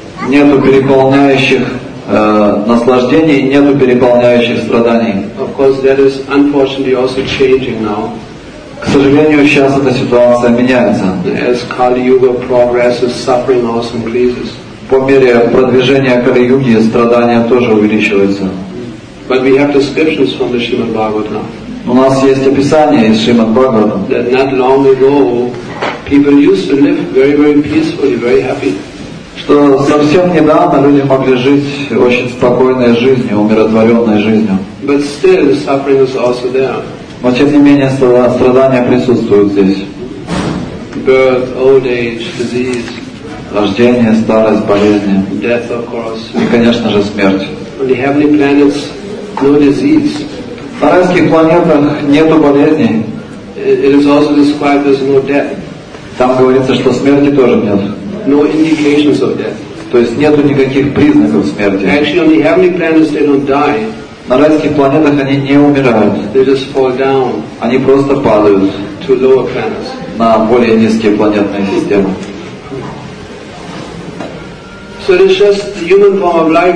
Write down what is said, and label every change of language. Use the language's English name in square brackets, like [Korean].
[Russian] Нету переполняющих наслаждений, нету переполняющих страданий. [English] Of course, that is unfortunately also changing now. [Russian] К сожалению, сейчас эта ситуация меняется. [English] As Kali-Yuga progresses, suffering also increases. [Russian] По мере продвижения Кали-Юги страдания тоже увеличиваются. [English] But we have descriptions from the Shrimad Bhagavatam. [Russian] У нас есть описание из Шримад Бхагаватам. [English] Not long ago, people used to live very, very peacefully, very happy. [Russian] Что совсем недавно люди могли жить очень спокойной жизнью, умиротворенной жизнью. [English] But still, suffering is also there. [Russian] Но тем не менее страдания присутствуют здесь. [English] Birth, old age, disease. [Russian] Рождение, старость, болезни. [English] Death, of course. [Russian] И, конечно же, смерть. [English] On the heavenly planets, no disease. [Russian] На райских планетах нету болезней. [English] It is also described as no death. [Russian] Там говорится, что смерти тоже нет. [English] No indications of death. [Russian] То есть нету никаких признаков смерти. [English] Actually, on the heavenly planets, they don't die. [Russian] На райских планетах они не умирают. [English] They just fall down. [Russian] Они просто падают. [English] To lower planets. [Russian] На более низкие планетные системы. [English] So it is just the human form of life.